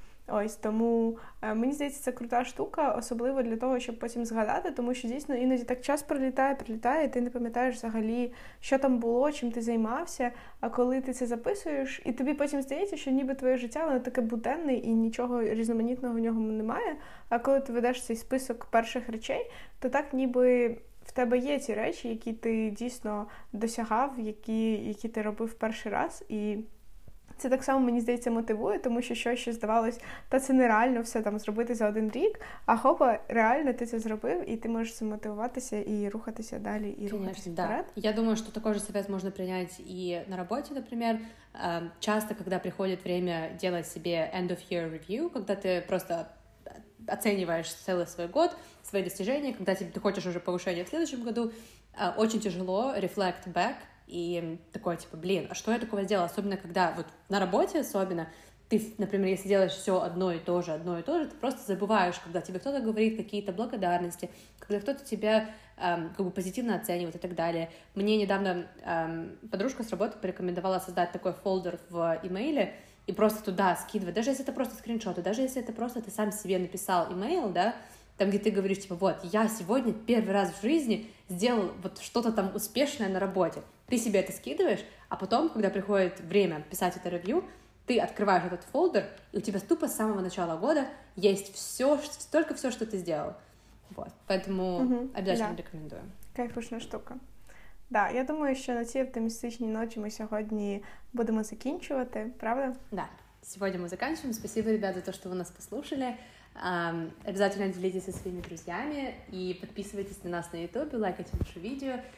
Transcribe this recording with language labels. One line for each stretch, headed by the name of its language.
Ukrainian: Ось, тому мені здається, це крута штука, особливо для того, щоб потім згадати, тому що дійсно іноді так час прилітає, і ти не пам'ятаєш взагалі, що там було, чим ти займався, а коли ти це записуєш, і тобі потім здається, що ніби твоє життя, воно таке буденне, і нічого різноманітного в нього немає, а коли ти ведеш цей список перших речей, то так ніби в тебе є ці речі, які ти дійсно досягав, які ти робив перший раз, і... Це так само, мені здається, мотивує, тому що щось ще здавалось, та це нереально все там зробити за один рік, а хопа, реально ти це зробив, і ти можеш мотивуватися і рухатися далі, і рухатися вперед. Я думаю, що також себе можна прийняти і на роботі, наприклад.
Russian: Часто, коли приходить время делать себе end-of-year review, коли ти просто оцениваєш цілий свій год, свої достижения, коли ти хочеш уже повышення в следующем году, очень тяжело
English: reflect back.
Russian: И такое, типа, блин, а что я такого сделала? Особенно, когда вот на работе, особенно, ты, например, если делаешь все одно и то же, ты просто забываешь, когда тебе кто-то говорит какие-то благодарности, когда кто-то тебя как бы позитивно оценивает и так далее. Мне недавно подружка с работы порекомендовала создать такой фолдер в имейле и просто туда скидывать, даже если это просто скриншоты, даже если это просто ты сам себе написал имейл, да, там, где ты говоришь, типа, вот, я сегодня первый раз в жизни сделал вот что-то там успешное на работе. ты себе это скидываешь, а потом, когда приходит время писать это ревью, ты открываешь этот фолдер, и у тебя тупо с самого начала года есть все, только все, что ты сделал. Вот. Поэтому обязательно рекомендую. Кайфушная штука.
Ukrainian: Да, я думаю, що на цій оптимістичній ночі ми сьогодні будемо закінчувати, правда? Да, сьогодні ми закінчуємо.
Russian: Спасибо, ребята,
Ukrainian: за те, що ви нас послухали. Обов'язково діліться зі своїми друзями і підписуйтесь на нас на YouTube, лайкайте наше відео.